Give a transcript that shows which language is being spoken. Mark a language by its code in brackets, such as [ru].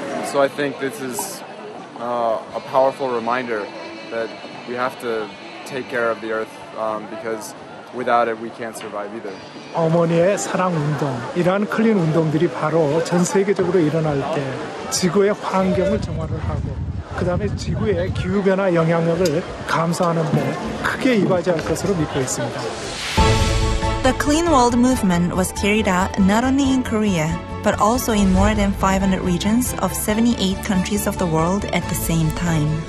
[en] So I think this is a powerful reminder that we have to take care of the earth because without it we can't survive either. [ko] 어머니의 사랑 운동 이러한 클린 운동들이 바로 전 세계적으로 일어날 때 지구의 환경을 정화를 하고 그 다음에 지구의 기후변화 영향력을 감소하는 데 크게 이바지할 것으로 믿고 있습니다. [en] The Clean World Movement was carried out not only in Korea, but also in more than 500 regions of 78 countries of the world at the same time.